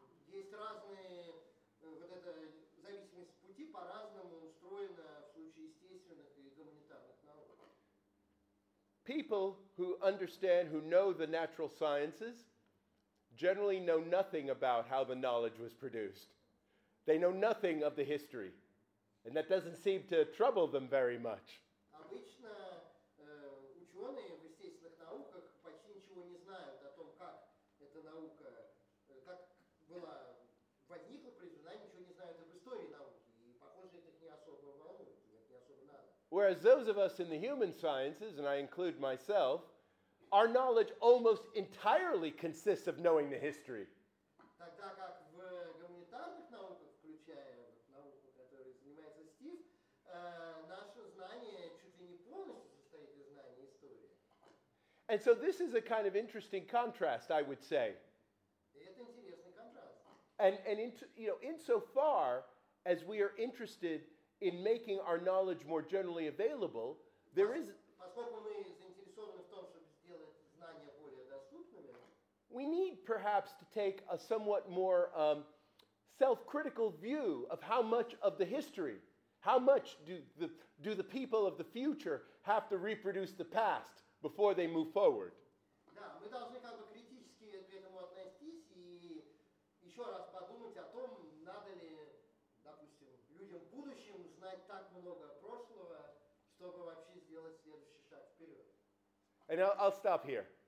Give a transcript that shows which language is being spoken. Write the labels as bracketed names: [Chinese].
[Russian] Есть разные, вот эта зависимость пути по-разному устроена в случае естественных и гуманитарных наук. [English] People who understand, who know the natural sciences, generally know nothing about how the knowledge was produced. They know nothing of the history. And that doesn't seem to trouble them very much. [Russian] Обычно ученые в естественных науках почти ничего не знают о том, как эта наука, как была, возникла, произведена, ничего не знают об истории науки. И, похоже, это не особо волнует. [English] Whereas those of us in the human sciences, and I include myself, our knowledge almost entirely consists of knowing the history. [Russian] Тогда как в гуманитарных науках, включая науку, которой занимается Стив, наше знание чуть ли не полностью состоит из знания истории. [English] And so this is a kind of interesting contrast, I would say. [Russian] Это интересный контраст. [English] Insofar as we are interested in making our knowledge more generally available, there is... [Russian] Поскольку мы заинтересованы в том, чтобы сделать знания более доступными, [English] we need perhaps to take a somewhat more self-critical view of how much of the history, how much do the people of the future have to reproduce the past before they move forward. [Russian] Да, мы должны как-то критически к этому относиться и еще раз подумать о том, надо ли, допустим, людям в будущем знать так много прошлого, чтобы вообще сделать следующий шаг вперед. [English] And I'll stop here.